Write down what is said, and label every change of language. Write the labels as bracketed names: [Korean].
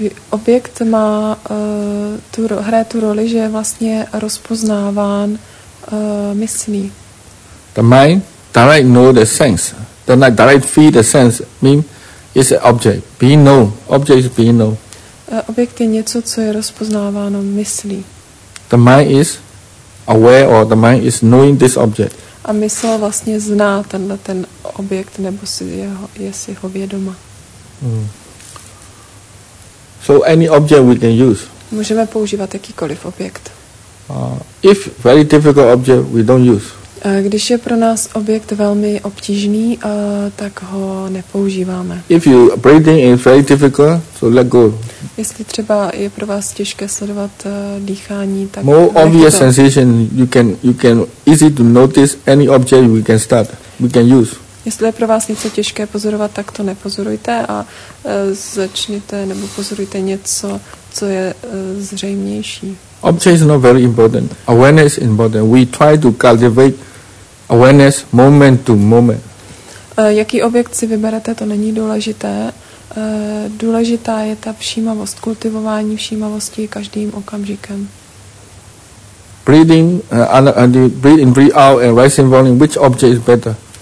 [Czech] Objekt má hraje tu roli, že je vlastně rozpoznáván myslí. [English] The mind direct know the sense. The mind direct feed the sense. Mean is an object. Being known. Object is being known. [Czech] Objekt je něco, co je rozpoznáváno myslí. [English] The mind is aware or the mind is knowing this object. [Czech] A mysl vlastně zná tenhle ten objekt nebo si jeho, je si ho vědoma. [English] So any object we can use. [Czech] Můžeme používat jakýkoliv objekt. [English] If very difficult object we don't use. [Czech] Když je pro nás objekt velmi obtížný, tak ho nepoužíváme. [English] If you breathing is very difficult, so let go. [Czech] Jestli třeba je pro vás těžké sledovat dýchání, tak [English] more obvious sensation you can easy to notice any object we can use. [Czech] Jestli je pro vás něco těžké pozorovat, tak to nepozorujte a začněte nebo pozorujte něco, co je zřejmější. [English] Object is not very important. Awareness is important. We try to cultivate awareness moment to moment. [Czech] Jaký objekt si vyberete, to není důležité. Důležitá je ta všímavost, kultivování všímavosti každým okamžikem. [English] Breathe in, breathe out and rising volume, which object is better?